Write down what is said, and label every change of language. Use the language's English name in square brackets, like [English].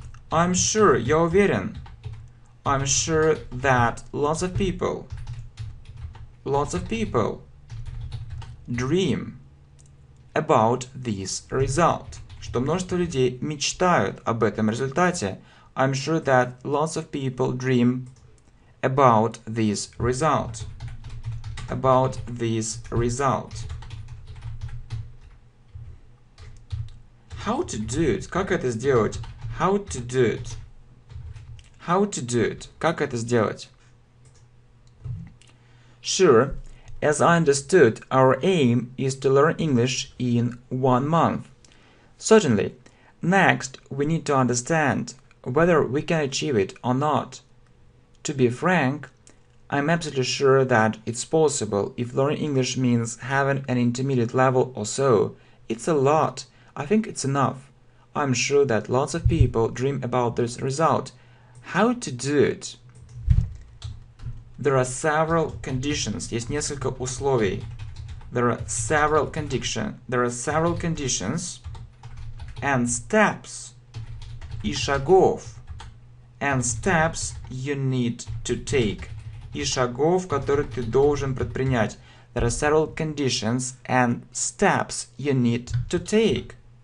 [English] I'm sure. [Russian] Я уверен. [English] I'm sure that lots of people. Lots of people dream about this result. [Russian] Что множество людей мечтают об этом результате. [English] I'm sure that lots of people dream about this result. About this result. How to do it? [Russian] Как это сделать? [English] How to do it? How to do it? Как это сделать? Sure, as I understood, our aim is to learn English in 1 month. Certainly. Next, we need to understand whether we can achieve it or not. To be frank, I'm absolutely sure that it's possible. If learning English means having an intermediate level or so, it's a lot. I think it's enough. I'm sure that lots of people dream about this result. How to do it? There are several conditions. [Russian] Есть несколько условий. [English] There are several conditions. There are several conditions and steps. [Russian] И шагов, [English] and steps you need to take. [Russian] И шагов, которые ты должен предпринять. [English] There are several conditions and steps you need to take.